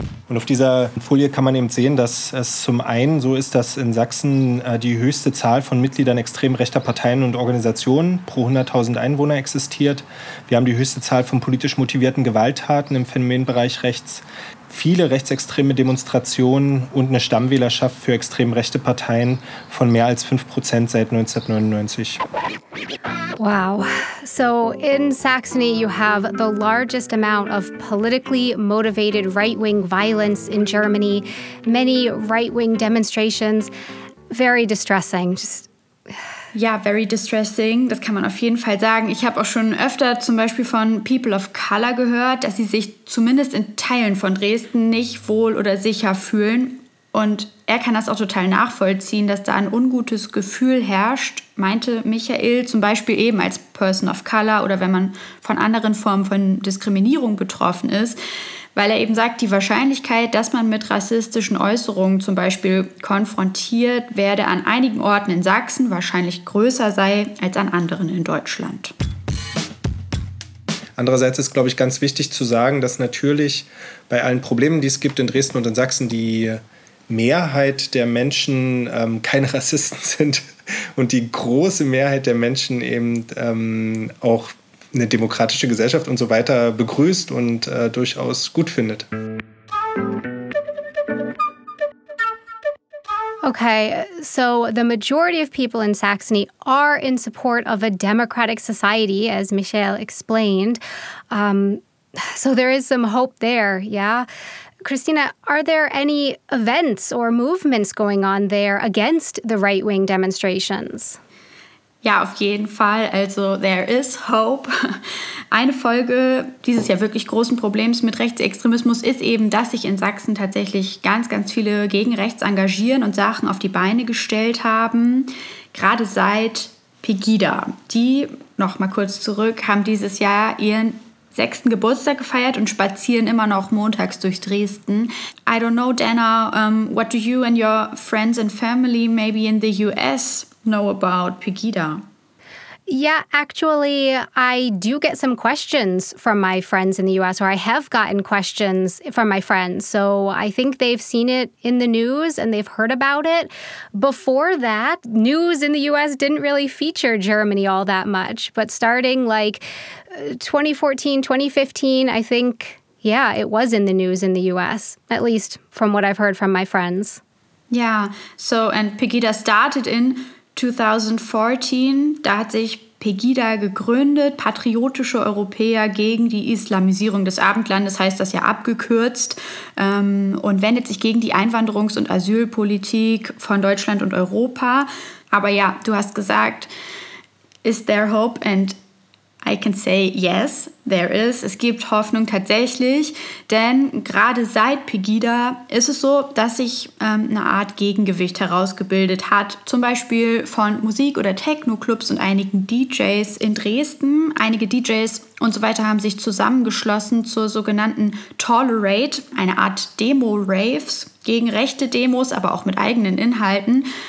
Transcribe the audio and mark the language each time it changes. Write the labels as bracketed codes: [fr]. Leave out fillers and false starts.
[de] Und auf dieser Folie kann man eben sehen, dass es zum einen so ist, dass in Sachsen die höchste Zahl von Mitgliedern extrem rechter Parteien und Organisationen pro 100.000 Einwohner existiert. Wir haben die höchste Zahl von politisch motivierten Gewalttaten im Phänomenbereich rechts, viele rechtsextreme Demonstrationen und eine Stammwählerschaft für extrem rechte Parteien von mehr als 5% seit 1999. [en] Wow. So in Saxony, you have the largest amount of politically motivated right-wing violence in Germany. Many right-wing demonstrations. Very distressing. [de] Ja, [en] very distressing, [de] das kann man auf jeden Fall sagen. Ich habe auch schon öfter zum Beispiel von People of Color gehört, dass sie sich zumindest in Teilen von Dresden nicht wohl oder sicher fühlen. Und er kann das auch total nachvollziehen, dass da ein ungutes Gefühl herrscht, meinte Michael, zum Beispiel eben als Person of Color oder wenn man von anderen Formen von Diskriminierung betroffen ist. Weil er eben sagt, die Wahrscheinlichkeit, dass man mit rassistischen Äußerungen zum Beispiel konfrontiert werde, an einigen Orten in Sachsen wahrscheinlich größer sei als an anderen in Deutschland. Andererseits ist, glaube ich, ganz wichtig zu sagen, dass natürlich bei allen Problemen, die es gibt in Dresden und in Sachsen, die Mehrheit der Menschen keine Rassisten sind und die große Mehrheit der Menschen eben auch eine demokratische Gesellschaft und so weiter begrüßt und durchaus gut findet. [en] Okay, so the majority of people in Saxony are in support of a democratic society, as Michelle explained. So there is some hope there, yeah? Christina, are there any events or movements going on there against the right-wing demonstrations? [de] Ja, auf jeden Fall. Also [en] there is hope. [de] Eine Folge dieses ja wirklich großen Problems mit Rechtsextremismus ist eben, dass sich in Sachsen tatsächlich ganz, ganz viele gegen rechts engagieren und Sachen auf die Beine gestellt haben. Gerade seit Pegida. Die, noch mal kurz zurück, haben dieses Jahr ihren 6. Geburtstag gefeiert und spazieren immer noch montags durch Dresden. [en] I don't know, Dana, what do you and your friends and family maybe in the U.S. know about Pegida? Yeah, actually, I do get some questions from my friends in the U.S., or I have gotten questions from my friends. So I think they've seen it in the news and they've heard about it. Before that, news in the U.S. didn't really feature Germany all that much. But starting like 2014, 2015, I think, yeah, it was in the news in the U.S., at least from what I've heard from my friends. Yeah, so and Pegida started in 2014, [de] da hat sich Pegida gegründet, patriotische Europäer gegen die Islamisierung des Abendlandes, heißt das ja abgekürzt, und wendet sich gegen die Einwanderungs- und Asylpolitik von Deutschland und Europa. Aber ja, du hast gesagt, [en] is there hope? And I can say yes, there is. [de] Es gibt Hoffnung tatsächlich, denn gerade seit Pegida ist es so, dass sich eine Art Gegengewicht herausgebildet hat, zum Beispiel von Musik- oder Techno-Clubs und einigen DJs in Dresden. Einige DJs und so weiter haben sich zusammengeschlossen zur sogenannten Tolerate, eine Art Demo-Raves, gegen rechte Demos, aber auch mit eigenen Inhalten.